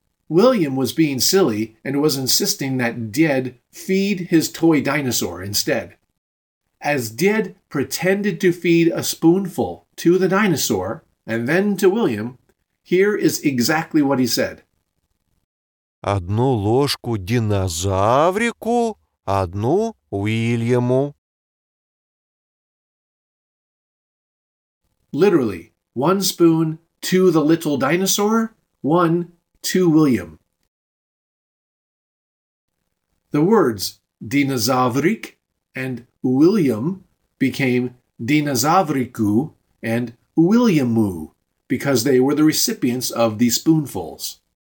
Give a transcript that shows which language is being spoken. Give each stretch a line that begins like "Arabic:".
English: William was being silly and was insisting that Ded feed his toy dinosaur instead. As Ded pretended to feed a spoonful to the dinosaur and then to William, here is exactly what he said.
Russian: Одну ложку динозаврику, одну Уильяму.
English: Literally, one spoon to the little dinosaur, one to William. The words dinozavrik and William became dinozavriku and Williamu because they were the recipients of the spoonfuls.